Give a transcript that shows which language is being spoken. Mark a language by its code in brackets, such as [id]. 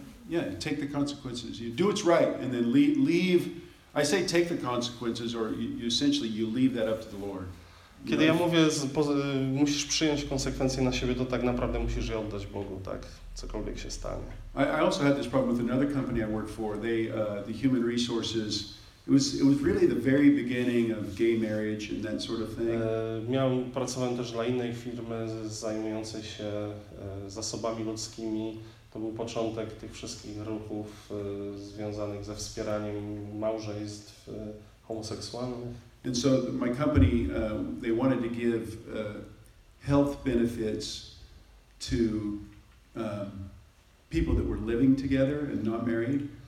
[en] Yeah, take the consequences. You do what's right, and then leave. I say take the consequences, or you essentially you leave that up to the Lord. [pl] Kiedy ja mówię, musisz przyjąć konsekwencje na siebie, to tak naprawdę musisz je oddać Bogu, tak? Cokolwiek się stanie. [en] I also had this problem with another company I worked for. They, the human resources. It was really the very beginning of gay marriage and that sort of thing. [pl] Pracowałem też dla innej firmy zajmującej się zasobami ludzkimi. To był początek tych wszystkich ruchów związanych ze wspieraniem małżeństw homoseksualnych. [en] And so my company, they wanted to give health benefits to people that were living together and not married.